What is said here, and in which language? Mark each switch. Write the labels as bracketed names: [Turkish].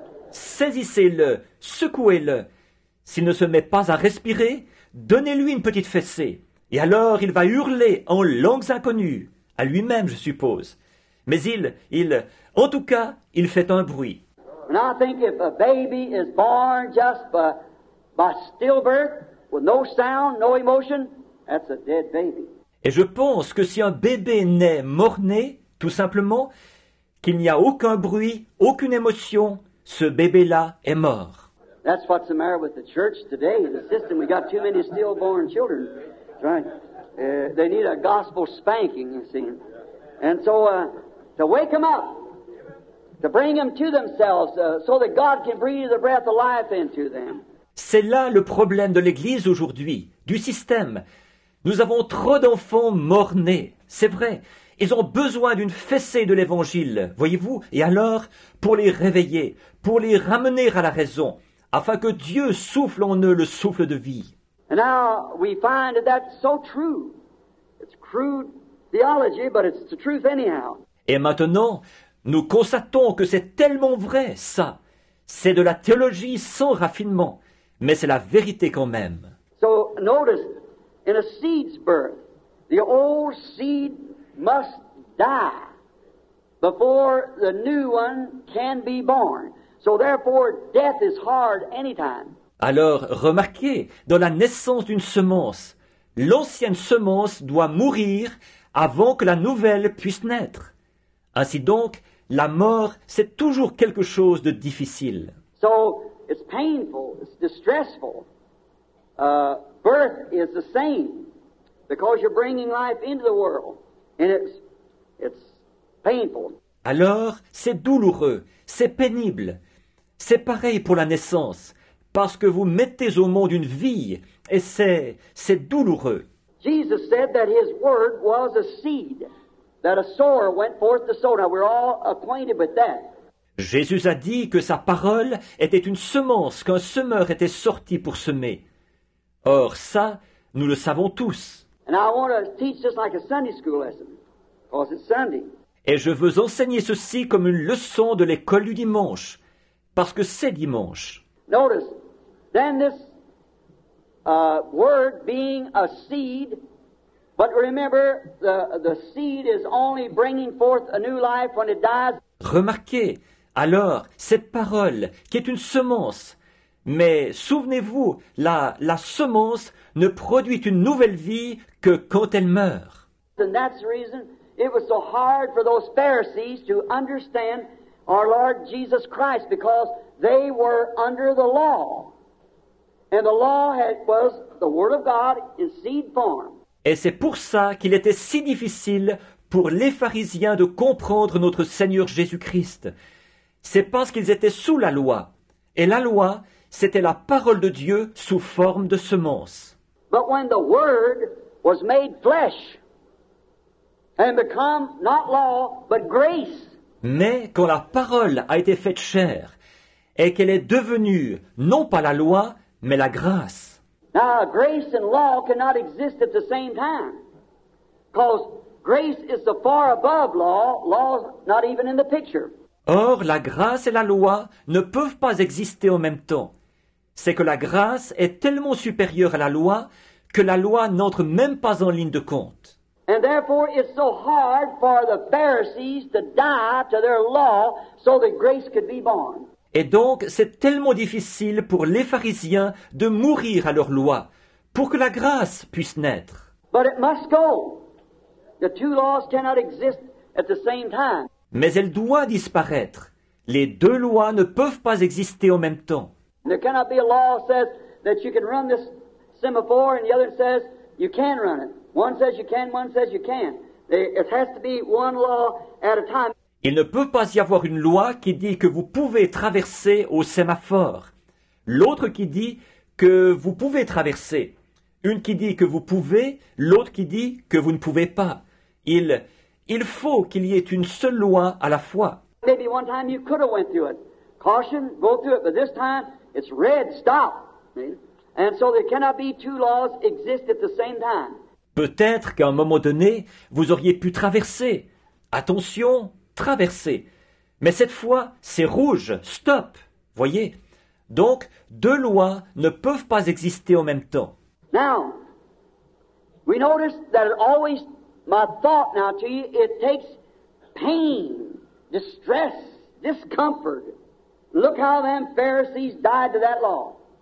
[French] Saisissez-le, secouez-le. S'il ne se met pas à respirer, donnez-lui une petite fessée. Et alors il va hurler en langues inconnues, à lui-même, je suppose. Mais il, en tout cas, il fait un bruit. [English] And I think if a baby is born just by stillbirth, with no sound, no emotion, that's a dead baby. [French] Et je pense que si un bébé naît mort-né, tout simplement, qu'il n'y a aucun bruit, aucune émotion, ce bébé-là est mort. [English] That's what's the matter with the church today, the system. We got too many stillborn children. That's right. They need a gospel spanking, you see. And so, to wake them up, to bring them to themselves, so that God can breathe the breath of life into them. [French] C'est là le problème de l'Église aujourd'hui, du système. Nous avons trop d'enfants morts-nés, c'est vrai. Ils ont besoin d'une fessée de l'Évangile, voyez-vous, et alors, pour les réveiller, pour les ramener à la raison, afin que Dieu souffle en eux le souffle de vie. [English] And now we find that that's so true. It's crude theology, but it's the truth anyhow. [French] Et maintenant, nous constatons que c'est tellement vrai, ça. C'est de la théologie sans raffinement, mais c'est la vérité quand même. [English] So notice, in a seed's birth, the old seed must die before the new one can be born. So therefore, death is hard anytime. [French] Alors, remarquez, dans la naissance d'une semence, l'ancienne semence doit mourir avant que la nouvelle puisse naître. Ainsi donc, la mort, c'est toujours quelque chose de difficile. [English] So, it's painful, it's distressful. Birth is the same, because you're bringing life into the world, and it's painful. [French] Alors, c'est douloureux, c'est pénible. C'est pareil pour la naissance, parce que vous mettez au monde une vie, et c'est douloureux. [English] Jesus said that his word was a seed, that a sower went forth to sow. Now we're all acquainted with that. [French] Jésus a dit que sa parole était une semence, qu'un semeur était sorti pour semer. Or ça, nous le savons tous. [English] And I want to teach this like a Sunday school lesson, because it's Sunday. [French] Et je veux enseigner ceci comme une leçon de l'école du dimanche, parce que c'est dimanche. [English] Notice, then this word being a seed, but remember, the seed is only bringing forth a new life when it dies. [French] Remarquez, alors, cette parole qui est une semence, mais souvenez-vous, la semence ne produit une nouvelle vie que quand elle meurt. [English] And that's the reason it was so hard for those Pharisees to understand our Lord Jesus Christ, because they were under the law. And the law was the Word of God in seed form. [French] Et c'est pour ça qu'il était si difficile pour les pharisiens de comprendre notre Seigneur Jésus-Christ. C'est parce qu'ils étaient sous la loi. Et la loi, c'était la parole de Dieu sous forme de semence. [English] But when the Word was made flesh and become not law, but grace. [French] Mais quand la parole a été faite chair, et qu'elle est devenue, non pas la loi, mais la grâce. [English] Now, grace and law cannot exist at the same time. Because grace is so far above law, law's not even in the picture. [French] Or, la grâce et la loi ne peuvent pas exister en même temps. C'est que la grâce est tellement supérieure à la loi que la loi n'entre même pas en ligne de compte. [English] And therefore, it's so hard for the Pharisees to die to their law so that grace could be born. [French] Et donc, c'est tellement difficile pour les pharisiens de mourir à leur loi, pour que la grâce puisse naître. [English] But it must go. The two laws cannot exist at the same time. [French] Mais elle doit disparaître. Les deux lois ne peuvent pas exister en même temps. [English] There cannot be a law that says that you can run this semaphore and the other says you can run it. One says you can, one says you can't. It has to be one law at a time. [French] Il ne peut pas y avoir une loi qui dit que vous pouvez traverser au sémaphore. L'autre qui dit que vous pouvez traverser. Une qui dit que vous pouvez, l'autre qui dit que vous ne pouvez pas. Il faut qu'il y ait une seule loi à la fois. [English] Maybe one time you could have went through it, caution, go through it, but this time it's red, stop. And so there cannot be two laws exist at the same time. [French] Peut-être qu'à un moment donné, vous auriez pu traverser. Attention, traverser. Mais cette fois, c'est rouge, stop. Voyez. Donc, deux lois ne peuvent pas exister en même temps. [English] Now, we notice that always my thought now to you, it takes pain, distress, discomfort. Look how them Pharisees died to that law.